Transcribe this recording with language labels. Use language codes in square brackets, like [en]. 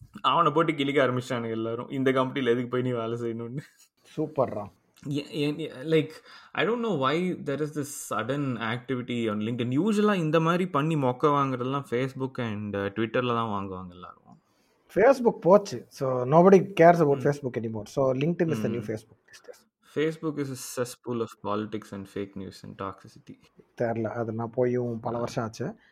[ta] அவனை போட்டு கிளிக்க ஆரம்பிச்சிட்டானு எல்லாரும் இந்த கம்பெனியில் எதுக்கு போய் நீ வேலை செய்யணும்னு. சூப்பர்றான். [en] Like I don't know why there is this sudden activity on LinkedIn. [ta] யூஸ்வலாக இந்த மாதிரி பண்ணி மொக்க வாங்குறதுலாம் ஃபேஸ்புக் அண்ட் ட்விட்டரில் தான் வாங்குவாங்க எல்லாரும். [en] Facebook [ta] போச்சு, [en] So nobody cares about Facebook anymore. So LinkedIn is the new Facebook. Facebook is a cesspool of politics and fake news and toxicity. [ta] தெரியல, அது நான் போயும் பல வருஷம் ஆச்சு.